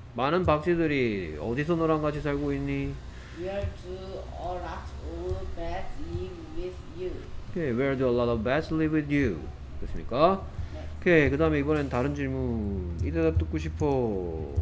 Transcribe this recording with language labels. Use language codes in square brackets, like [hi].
[ko] 많은 박쥐들이 어디서 너랑 같이 살고 있니? [en] Where do a lot of bats live with you? Okay, where do a lot of bats live with you? [ko] 됐습니까? 오케이, 그 다음에 이번엔 다른 질문 이 대답 듣고 싶어.